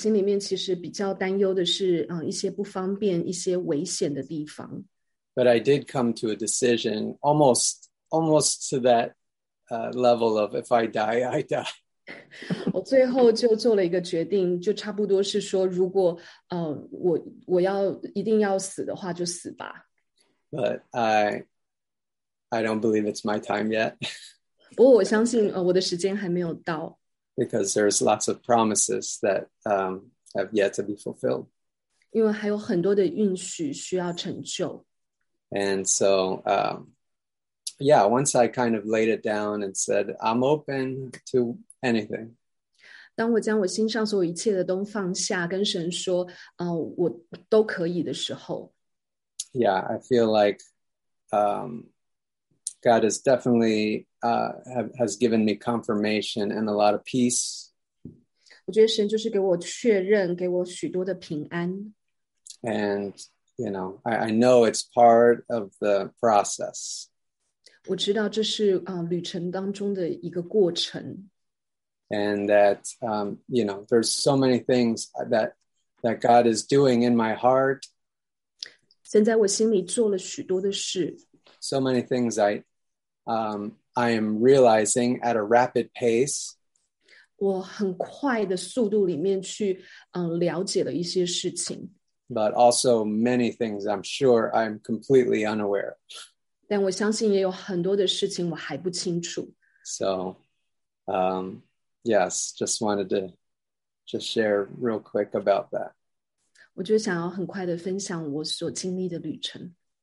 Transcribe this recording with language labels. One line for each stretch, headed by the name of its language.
Chinese: 因为我发现我心里面其实比较担忧的是 一些不方便，一些危险的地方。
English: But I did come to a decision almost to that level of if I die, I die.
Chinese: 我最后就做了一个决定，就差不多是说如果 我要一定要死的话就死吧。
English: But I don't believe it's my time yet.
Chinese: 不过我相信 我的时间还没有到。
English: Because there's lots of promises that have yet to be fulfilled.
Chinese: 因为还有很多的应许需要成就。
English: And so, once I kind of laid it down and said, I'm open to anything.
Chinese: 当我将我心上所有一切的都放下，跟神说， 我都可以的时候。
English: Yeah, I feel like God is definitely has given me confirmation and a lot of peace.
Chinese: 我觉得神就是给我确认，给我许多的平安。
English: And you know, I know it's part of the process.
Chinese: 我知道这是 旅程当中的一个过程。
English: And that you know, there's so many things that God is doing in my heart.
Chinese: 神在我心里做了许多的事。
English: So many things I am realizing at a rapid pace.
Chinese: 我很快的速度里面去 了解了一些事情。
English: But also many things I'm sure I'm completely unaware of.
Chinese: 但我相信也有很多的事情我还不清楚。
English: So, just wanted to just share real quick about that.
Chinese: 我就想要很快的分享我所经历的旅程。